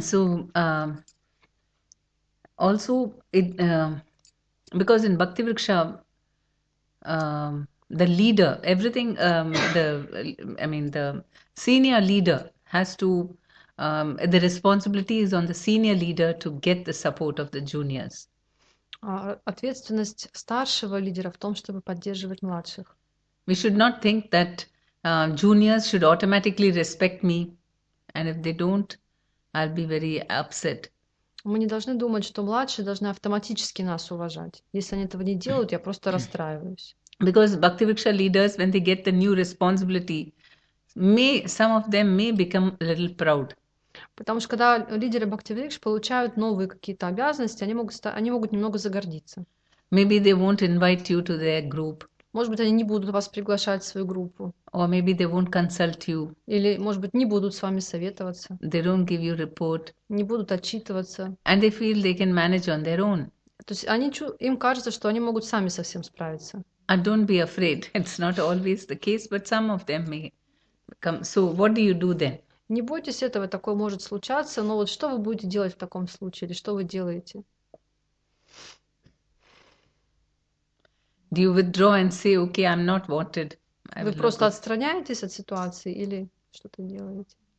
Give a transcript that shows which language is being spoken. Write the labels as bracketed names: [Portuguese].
[English] So, also, it because in Bhaktivriksha, the leader, everything, the senior leader has to, the responsibility is on the senior leader to get the support of the juniors. [Russian] Ответственность старшего лидера в том, чтобы поддерживать младших. [English] We should not think that juniors should automatically respect me, and if they don't, I'll be very upset. [Russian] Мы не должны думать, что младшие должны автоматически нас уважать. Если они этого не делают, я просто расстраиваюсь. [English] Because Bhaktivriksha leaders, when they get the new responsibility, may some of them may become a little proud. [Russian] Потому что когда лидеры Бхактивриксх получают новые какие-то обязанности, они могут немного загордиться. [English] Maybe they won't invite you to their group. [Russian] Может быть, они не будут вас приглашать в свою группу. [English] Or maybe they won't consult you. [Russian] Или, может быть, не будут с вами советоваться. [English] They don't give you report. [Russian] Не будут отчитываться. [English] And they feel they can manage on their own. [Russian] То есть им кажется, что они могут сами со всем справиться. [English] And don't be afraid. It's not always the case, but some of them may come. So what do you do then? [Russian] Не бойтесь этого, такое может случаться, но вот что вы будете делать в таком случае, или что вы делаете? [English] Do you withdraw and say, okay, I'm not wanted? [Russian] Вы просто отстраняетесь от ситуации или что-то делаете?